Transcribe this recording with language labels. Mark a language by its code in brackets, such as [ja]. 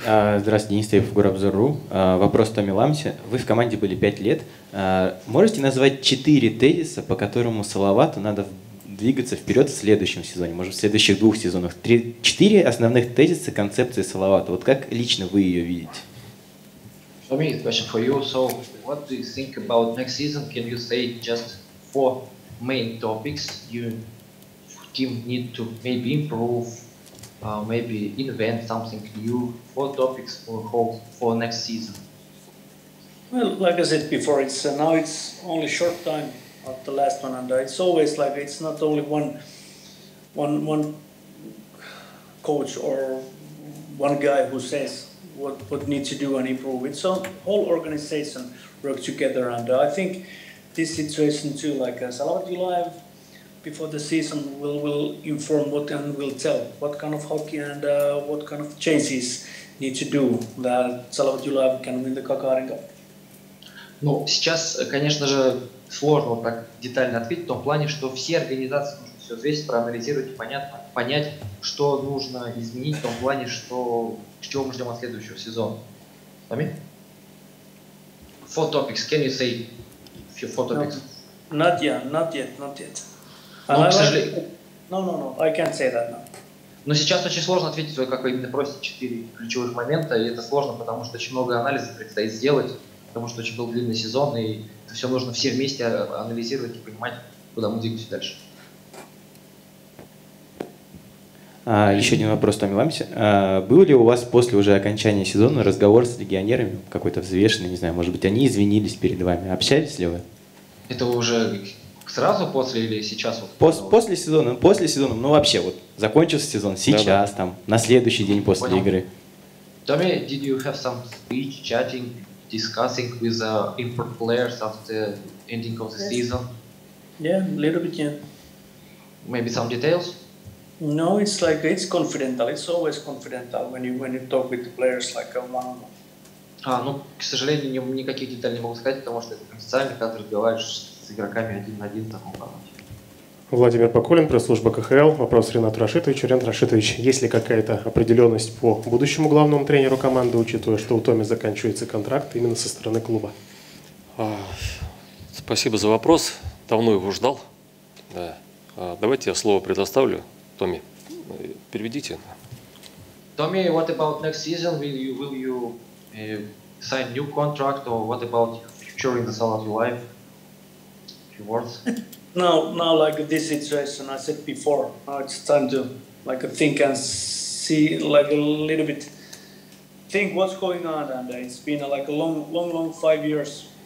[ru] Здравствуйте, Денис Таев, Горобзор.ру. Вопрос Томми Ламсе. Вы в команде были 5 лет. Можете назвать 4 тезиса, по которому Салавату надо двигаться вперед в следующем сезоне, может, в следующих двух сезонах? 4 основных тезиса концепции Салавату. Вот как лично вы ее видите? [en] For me, it's a question for you. So, what do you think about next season? Can you say just 4 main topics you team need to maybe improve, maybe invent something new? 4 topics for next season. Well, like I said before, now it's only short time of the last one, and it's always like it's not only one coach or one guy who says what needs to do and improve. It's a whole organization work together, and I think this situation too, like Salavat Yulaev before the season will inform what and will tell what kind of hockey and what kind of changes need to do that Salavat Yulaev can win the Gagarin Cup. [ru] Ну, сейчас, конечно же, сложно так детально ответить, в том плане, что все организации нужно все взвесить, проанализировать, понять, что нужно изменить, в том плане, что чего мы ждем от следующего сезона. Аминь? [en] Four topics, can you say few four topics? Not yet. No, I can't say that now. [ru] Но сейчас очень сложно ответить, вы как вы именно просите 4 ключевых момента, и это сложно, потому что очень много анализов предстоит сделать, потому что очень был длинный сезон, и это все нужно все вместе анализировать и понимать, куда мы двигаемся дальше. Еще один вопрос, Томми Ламсе. Был ли у вас после уже окончания сезона разговор с легионерами, какой-то взвешенный, не знаю, может быть, они извинились перед вами, общались ли вы? Это уже сразу после или сейчас? После сезона, ну вообще, вот закончился сезон сейчас, да. Там, на следующий день после Понял. Игры. [en] Томми, did you have some speech, chatting, discussing with the import players after ending of the season? Yeah, a little bit, yeah. Maybe some details? No, it's like it's confidential. It's always confidential when you talk with the players like one. [ru] Ну, к сожалению, никаких деталей не могу сказать, потому что это конфиденциально, когда разговариваешь с игроками один на один в таком формате. Владимир Поколин, пресс-служба КХЛ. Вопрос Ренату Рашитовичу. Ренат Рашитович, есть ли какая-то определенность по будущему главному тренеру команды, учитывая, что у Томми заканчивается контракт именно со стороны клуба? Спасибо за вопрос. Давно его ждал. Да. Давайте я слово предоставлю. Томми, переведите. [en] Томми, what about next season? Will you sign new contract or what about future in the Salavat Yulaev? Few words. Now, like this situation, I said before. Now it's time to like think and see like a little bit. Think what's going on, and it's been like a long 5 years